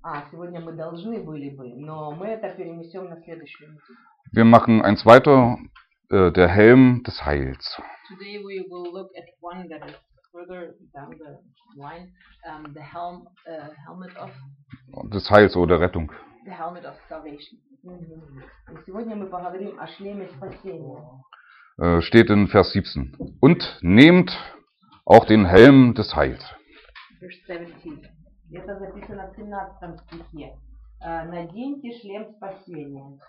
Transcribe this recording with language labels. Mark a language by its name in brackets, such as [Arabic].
[Russian] Сегодня мы должны были бы, но мы это перенесем на следующую неделю. [German] Wir machen eins weiter, der Helm des Heils. [English] Today we will look at one that is further down the line, the helm, helmet of. [German] Des Heils oder Rettung. [English] The helmet of salvation. Mm-hmm. [Russian] Und сегодня мы поговорим о шлеме спасения. [German] Steht in Vers 17. Und nehmt auch den Helm des Heils. [Russian] Vers 17. Это записано в 17 стихе. Наденьте шлем спасения.